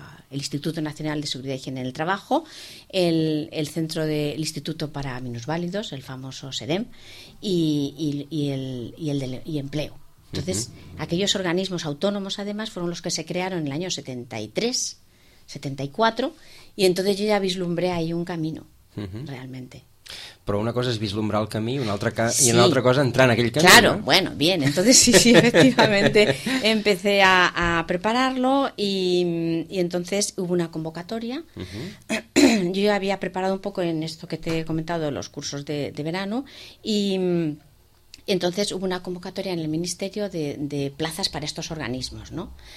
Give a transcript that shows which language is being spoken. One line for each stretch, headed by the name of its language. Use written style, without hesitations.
Spanish: Instituto Nacional de Seguridad y Higiene en el Trabajo, el Centro del Instituto para Minusválidos, el famoso SEDEM, y el Empleo. Entonces, uh-huh. aquellos organismos autónomos, además, fueron los que se crearon en el año 73, 74, y entonces yo ya vislumbré ahí un camino, uh-huh. realmente.
Catalan: Però una cosa és vislumbrar el camí, una altra sí. i una altra cosa entrar en aquell camí.
Spanish: Claro, no? Bueno, bien, entonces sí, sí, efectivamente empecé a prepararlo y entonces hubo una convocatoria. Uh-huh. Yo ya había preparado un poco en esto que te he comentado, los cursos de verano, y entonces hubo una convocatoria en el Ministerio de plazas para estos organismos, ¿no?